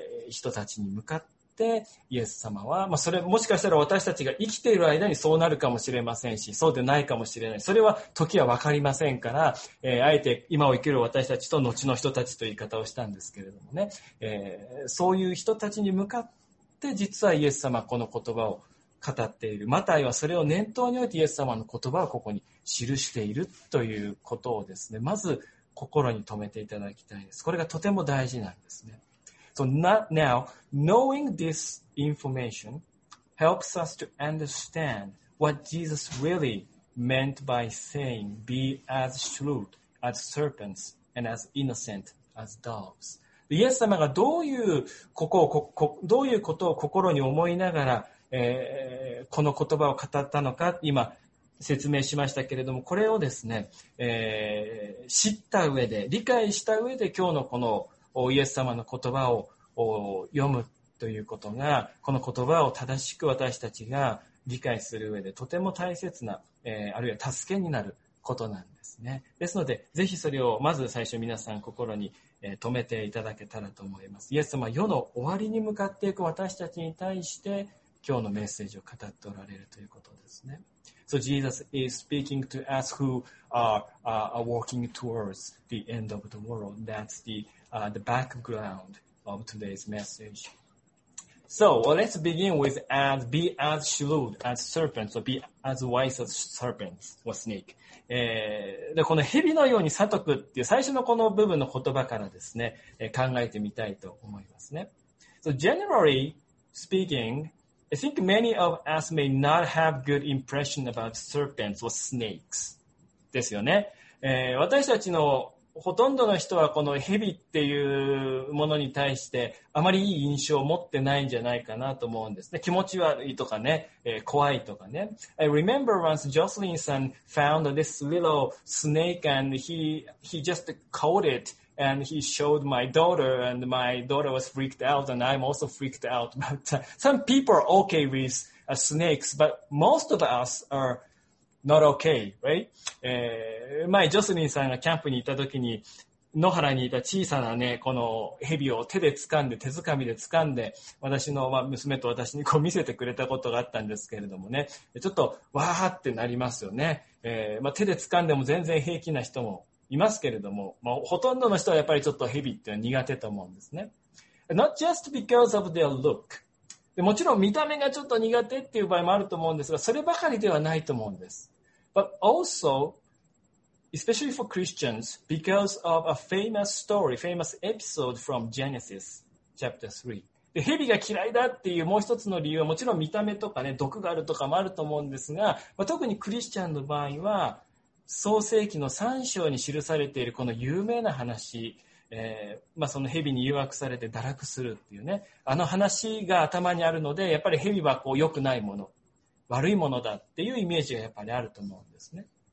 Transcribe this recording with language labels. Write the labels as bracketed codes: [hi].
[ja] 人たちに向かってイエス様は、それもしかしたら私たちが生きている間にそうなるかもしれませんし、そうでないかもしれない、それは時は分かりませんから、あえて今を生きる私たちと後の人たちという言い方をしたんですけれどもね、そういう人たちに向かって実はイエス様はこの言葉を語っている、マタイはそれを念頭においてイエス様の言葉をここに記しているということをですね、まず心に留めていただきたいです。これがとても大事なんですね。 [en] So now knowing this information helps us to understand what Jesus really meant by saying be as shrewd as serpents and as innocent as doves。 [ja] イエス様がどういうことを心に思いながらこの言葉を語ったのか、今説明しましたけれども、これをですね、知った上で、理解した上で今日のこのイエス様の言葉を読むということが、この言葉を正しく私たちが理解する上でとても大切な、あるいは助けになることなんですね。ですのでぜひそれをまず最初皆さん心に留めていただけたらと思います。イエス様、世の終わりに向かっていく私たちに対して今日のメッセージを語っておられるということですね。 [en] So Jesus is speaking to us who are walking towards the end of the world. That's the background of today's message. So well, let's begin with as be as shrewd as serpents or be as wise as serpents or snake. [ja] でこの蛇のように悟くっていう最初のこの部分の言葉からですね、考えてみたいと思いますね。 [en] So generally speaking,I think many of us may not have good impression about serpents or snakes. [ja] ですよね。私たちのほとんどの人はこの蛇っていうものに対してあまりいい印象を持ってないんじゃないかなと思うんですね。気持ち悪いとかね、怖いとかね。 [en] I remember once Jocelyn さん found this little snake and he just caught it. And he showed my daughter, and my daughter was freaked out, and I'm also freaked out. But some people are okay with snakes, but most of us are not okay, right? [ja] 前、ジョスリンさんがキャンプに行った時に、野原にいた小さなね、この蛇を手で掴んで、手掴みで掴んで、私の、娘と私にこう見せてくれたことがあったんですけれどもね、ちょっとわーってなりますよね。手で掴んでも全然平気な人も、いますけれども、ほとんどの人はやっぱりちょっとヘビっていうのは苦手と思うんですね。 [en] Not just because of their look. [ja] でもちろん見た目がちょっと苦手っていう場合もあると思うんですが、そればかりではないと思うんです。 [en] But also, especially for Christians, because of a famous story, famous episode from Genesis chapter 3. [ja] で蛇が嫌いだっていうもう一つの理由はもちろん見た目とかね、毒があるとかもあると思うんですが、特にクリスチャンの場合は、創世記の3章に記されているこの有名な話、その蛇に誘惑されて堕落するっていうね、あの話が頭にあるので、やっぱり蛇はこう良くないもの、悪いものだっていうイメージがやっぱりあると思うんですね。